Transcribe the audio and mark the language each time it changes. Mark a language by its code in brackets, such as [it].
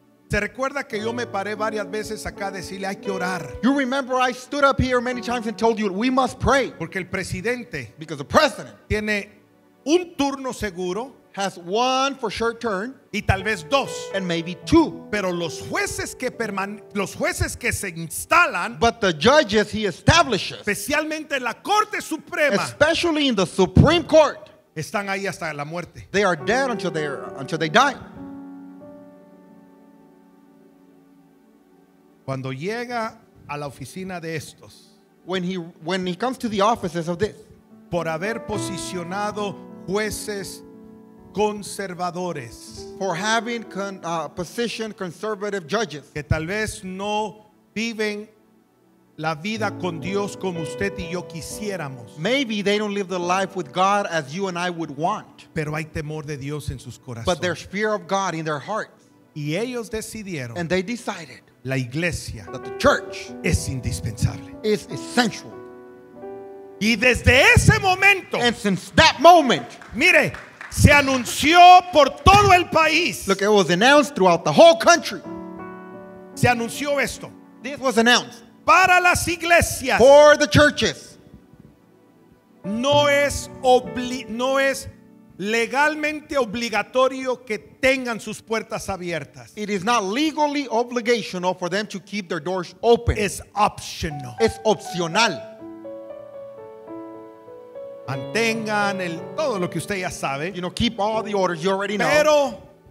[es] ¿Se recuerda que yo me paré varias veces acá a decirle hay que orar? [en] You remember I stood up here many times and told you we must pray. [es] Porque el presidente, [en] because the president, [es] tiene un turno seguro, [en] has one for sure turn, [es] y tal vez dos, [en] and maybe two. [es] Pero los jueces que se instalan, [en] but the judges he establishes, [es] especialmente en la Corte Suprema, [en] especially in the Supreme Court, [es] están ahí hasta la muerte. [en] They are dead until they die. [es] Cuando llega a la oficina de estos, [en] when he comes to the offices of this, [es] por haber posicionado jueces conservadores, [en] for having positioned conservative judges, [es] que tal vez no viven la vida con Dios como usted y yo quisiéramos, [en] maybe they don't live the life with God as you and I would want, [es] pero hay temor de Dios en sus corazones, [en] but there's fear of God in their hearts, [es] y ellos decidieron, [en] and they decided, [es] la iglesia, [en] that the church, [es] es indispensable, [en] is essential. [es] Y desde ese momento, [en] and since that moment, [es] mire, se anunció por todo el país. [en] Look, it was announced throughout the whole country. [es] Se anunció esto. [en] This was announced. [es] Para las iglesias. [en] For the churches. [es] No es legalmente obligatorio que tengan sus puertas abiertas. [en] It is not legally obligational for them to keep their doors open. [es] Es optional. Es opcional. Mantengan todo lo que usted ya sabe. [en] You know, keep all the orders you already know.